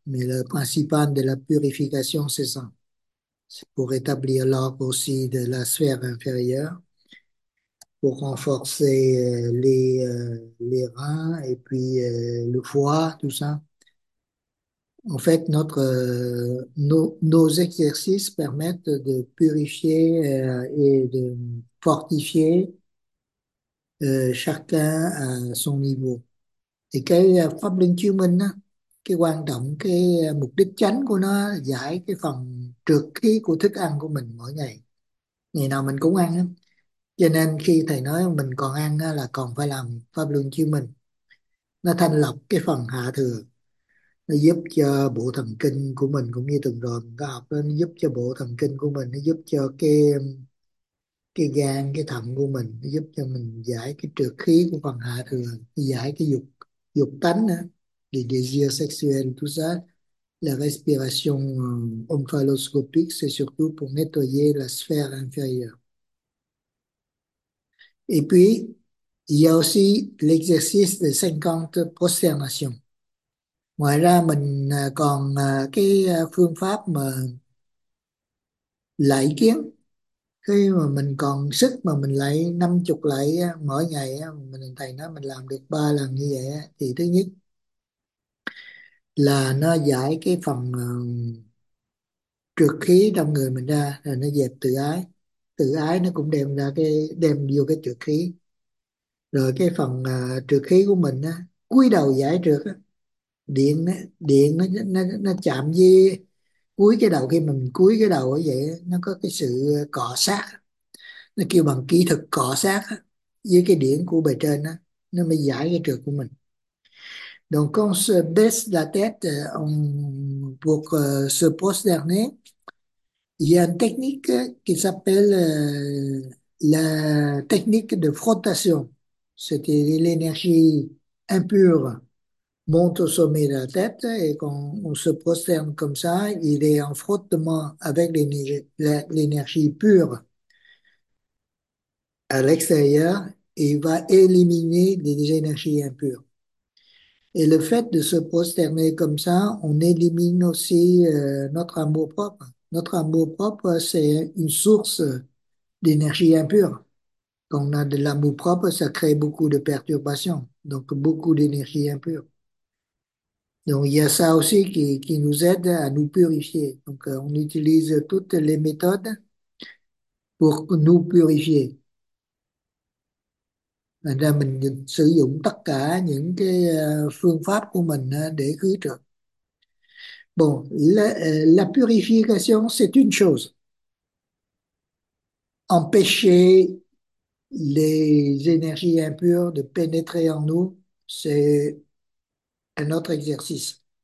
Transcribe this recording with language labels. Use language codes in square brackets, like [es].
[fr] Mais le principal de la purification, c'est ça. C'est pour rétablir l'ordre aussi de la sphère inférieure, pour renforcer les reins et puis le foie, tout ça. En fait, nos exercices permettent de purifier et de fortifier chacun à son niveau. [vi] Et cái pháp luân chiếu minh, cái quan trọng, cái mục đích chánh của nó giải cái phần trược khí của thức ăn của mình mỗi ngày. Ngày nào mình cũng ăn. Cho nên khi thầy nói mình còn ăn là còn phải làm pháp luân chiếu minh. Nó thanh lọc cái phần hạ thừa. Nó giúp cho bộ thần kinh của mình, cũng như từng rồi mình có học đó, nó giúp cho bộ thần kinh của mình, nó giúp cho cái gan, cái thận của mình, nó giúp cho mình giải cái trược khí của phần hạ thừa, giải cái dục dục tánh nữa, cái [fr] désir sexuel, tout ça. La respiration omphaloscopique, c'est surtout pour nettoyer la sphère inférieure. Et puis, il y a aussi l'exercice des 50 prosternations. [vi] Ngoài ra mình còn cái phương pháp mà lạy kiến. Khi mà mình còn sức mà mình lạy 50 lạy mỗi ngày, mình thầy nói mình làm được 3 lần như vậy, thì thứ nhất là nó giải cái phần trược khí trong người mình ra, rồi nó dẹp tự ái. Tự ái nó cũng đem vô cái trược khí. Rồi cái phần trược khí của mình á, cúi đầu giải trược á, điện nó chạm với cúi cái đầu. Khi mình cúi cái đầu ấy vậy, nó có cái sự cọ sát, nó kêu bằng kỹ thuật cọ sát với cái điện của bề trên đó, nó mới giải cái trượt của mình. [fr] Donc quand on se baisse la tête pour se prosterner, il y a une technique qui s'appelle la technique de frottation. C'était l'énergie impure monte au sommet de la tête et qu'on se prosterne comme ça, il est en frottement avec l'énergie pure à l'extérieur et il va éliminer des énergies impures. Et le fait de se prosterner comme ça, on élimine aussi notre amour-propre. Notre amour-propre, c'est une source d'énergie impure. Quand on a de l'amour-propre, ça crée beaucoup de perturbations, donc beaucoup d'énergie impure. Donc il y a ça aussi qui nous aide à nous purifier. Donc on utilise toutes les méthodes pour nous purifier. [vi] Thành ra mình sử dụng tất cả những cái phương pháp của mình để cứu trợ. [fr] Bon, la purification, c'est une chose. Empêcher les énergies impures de pénétrer en nous, c'est un autre exercice.